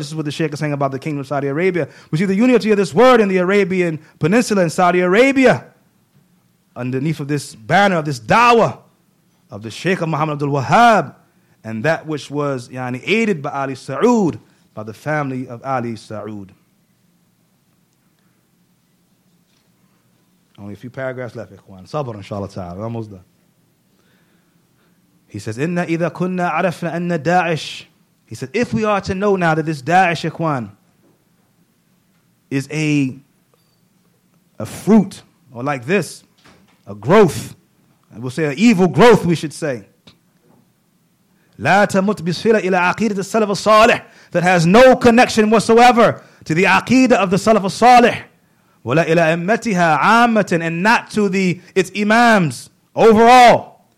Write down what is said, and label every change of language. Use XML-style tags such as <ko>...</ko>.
<en>This is what the Sheikh is saying about the kingdom of Saudi Arabia. We see the unity of this word in the Arabian Peninsula in Saudi Arabia, underneath of this banner of this da'wah of the Sheikh of Muhammad Abdul Wahhab, and that which was aided by Ali Saud, by the family of Ali Saud. Only a few paragraphs left, Ikhwan. Sabr, inshallah ta'ala. Almost done. He says,</en> <ar>إِنَّ إِذَا كُنَّا عَرَفْنَا أَنَّ دَاعِشْ.</ar> <en>He said, if we are to know now that this Da'ish, Ikhwan, is a fruit, or like this, a growth, we'll say an evil growth, we should say,</en> <ar>لَا تَمُتْ بِسْفِلَ إِلَىٰ عَقِيدَةِ السَّلَفَ الصَّالِحِ,</ar> <en>that has no connection whatsoever to the aqidah of the Salaf al-Salih,</en> <ar>وَلَا إِلَىٰ أَمَّتِهَا عَامَةٍ,</ar> <en>and not to its imams overall.</en>